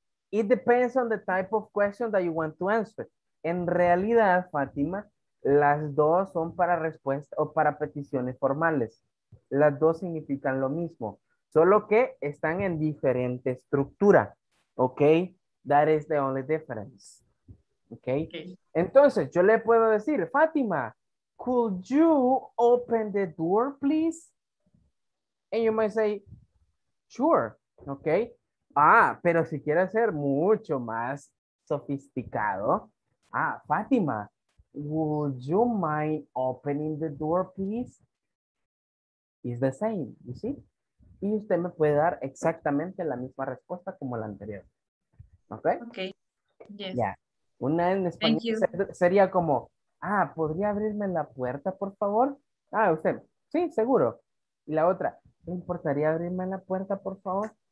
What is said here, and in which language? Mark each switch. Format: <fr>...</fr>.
<en>It depends on the type of question that you want to answer.</en> <es>En realidad, Fátima, las dos son para respuesta o para peticiones formales. Las dos significan lo mismo, solo que están en diferente estructura.</es> <en>Ok, that is the only difference. Okay?</en> <es>Ok, entonces yo le puedo decir, Fátima,</es> <en>could you open the door, please? And you might say, sure.</en> <es>Ok, ah, pero si quiere ser mucho más sofisticado.</es> <en>Ah, Fátima, would you mind opening the door, please? It's the same, you see?</en> <es>Y usted me puede dar exactamente la misma respuesta como la anterior. ¿Ok?</es> <en>Ok, yes. Yeah.</en> <es>Una en español sería como, ah, ¿podría abrirme la puerta, por favor? Ah, usted, sí, seguro. Y la otra, ¿me importaría abrirme la puerta, por favor?</es>